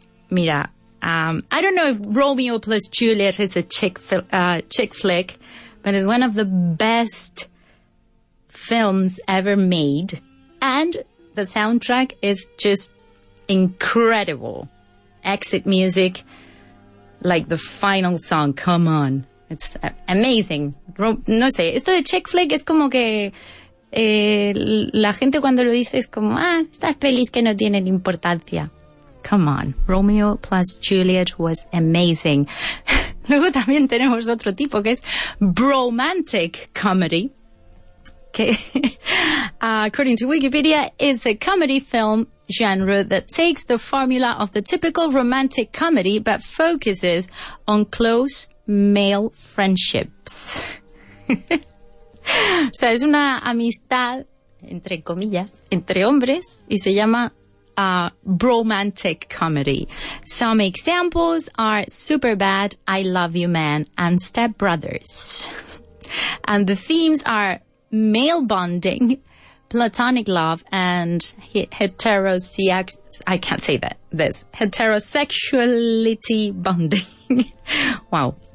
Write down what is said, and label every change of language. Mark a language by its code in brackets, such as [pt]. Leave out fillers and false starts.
[es] Mira, [en] I don't know if Romeo plus Juliet is a chick flick, but it's one of the best films ever made, and the soundtrack is just incredible. Exit music, like the final song, come on. It's amazing. [es] No sé, esto de chick flick es como que la gente cuando lo dice es como, estas pelis que no tienen importancia. [en] Come on, Romeo plus Juliet was amazing. [es] Luego también tenemos otro tipo que es bromantic comedy. Que, [en] according to Wikipedia, is a comedy film genre that takes the formula of the typical romantic comedy but focuses on close male friendships. [es] O sea, es una amistad entre comillas entre hombres y se llama bromantic comedy. [en] Some examples are Superbad, I Love You Man, and Step Brothers. And the themes are male bonding, platonic love, and heterosexuality bonding. Wow.